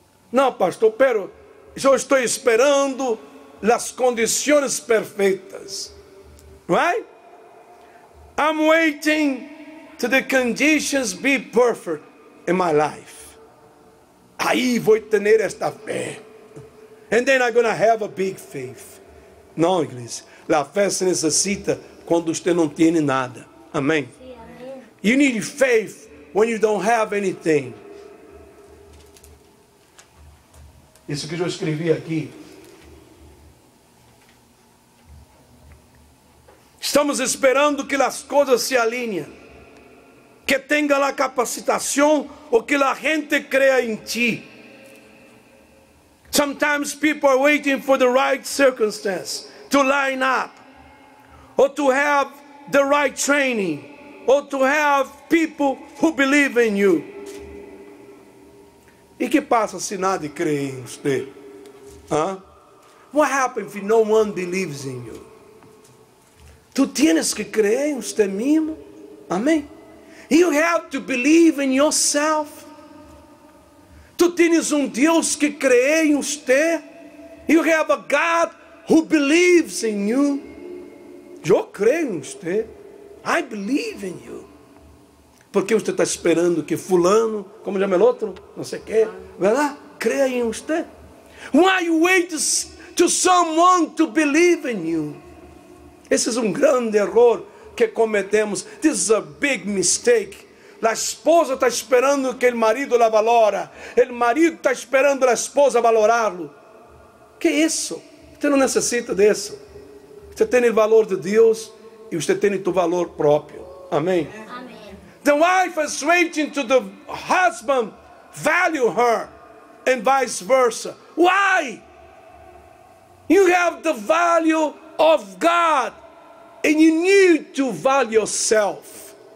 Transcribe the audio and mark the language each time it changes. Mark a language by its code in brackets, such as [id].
[pt] Não, pastor, pero eu estou esperando as condições perfeitas. [en] Right? I'm waiting to the conditions be perfect in my life. [pt] Aí vou ter esta fé. [en] And then I'm going to have a big faith. [pt] Não, igreja. A fé se necessita quando você não tem nada. Amém? [en] You need faith when you don't have anything. [pt] Isso que eu escrevi aqui. Estamos esperando que as coisas se alinhem. Que tenha a capacitação ou que a gente creia em ti. [en] Sometimes people are waiting for the right circumstance to line up, or to have the right training, or to have people who believe in you. [pt] E que passa se nada crê em você? Huh? [en] What happens if no one believes in you? [pt] Tu tienes que crer em você mesmo. Amém? [en] You have to believe in yourself. [pt] Tu tens Deus que crê em você. [en] You have a God who believes in you. [pt] Eu creio em você. [en] I believe in you. [pt] Por que você está esperando que fulano, como chama o outro, não sei o quê, vai lá, creia em você? [en] Why you wait to someone to believe in you? [pt] Esse é grande erro que cometemos. [en] This is a big mistake. [pt] A esposa está esperando que o marido la valora. O marido está esperando a esposa valorá-lo. Que é isso? Você não necessita disso. Você tem o valor de Deus e você tem o seu valor próprio. Amém? Amém. [en] The wife is waiting to the husband value her and vice versa. Why? You have the value of God and you need to value yourself.